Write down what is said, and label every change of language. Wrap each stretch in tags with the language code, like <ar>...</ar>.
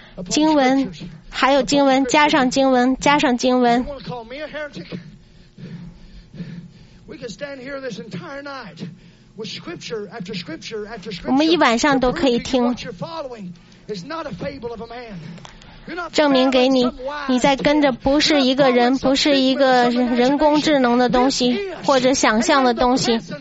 <zh>经文，还有经文，加上经文，加上经文。</zh> <en>You want to call me a heretic? We can stand here this entire night with scripture after scripture after scripture.</en> <zh>我们一晚上都可以听。</zh> <en>What you're following is not a fable of a man.</en> <zh>证明给你，你在跟着不是一个人，不是一个人工智能的东西，或者想象的东西。</zh>